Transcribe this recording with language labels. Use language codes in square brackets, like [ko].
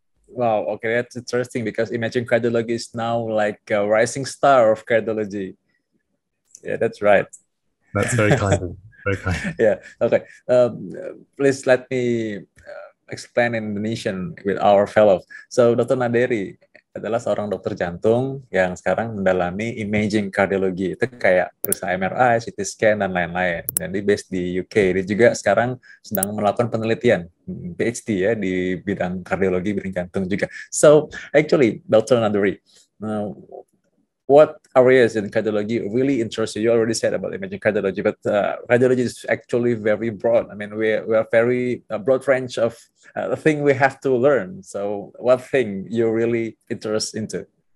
[en] Wow, okay, that's interesting because imaging cardiology is now like a rising star of cardiology. Yeah, that's right. That's very kind of you. Very kind. Yeah, okay. Please let me explain in Indonesian with our fellows. So, Dr. [id] Naderi adalah seorang dokter jantung yang sekarang mendalami imaging kardiologi. Itu kayak periksa MRI, CT scan, dan lain-lain. Dan dia based di UK. Dia juga sekarang sedang melakukan penelitian, PhD ya, di bidang kardiologi, bidang jantung juga. [en] So, actually, Dr. Naderi, what areas in cardiology really interest you? You already said about imaging cardiology, but cardiology is actually very broad. I mean, we are very broad range of the thing we have to learn. So what thing you really interest into?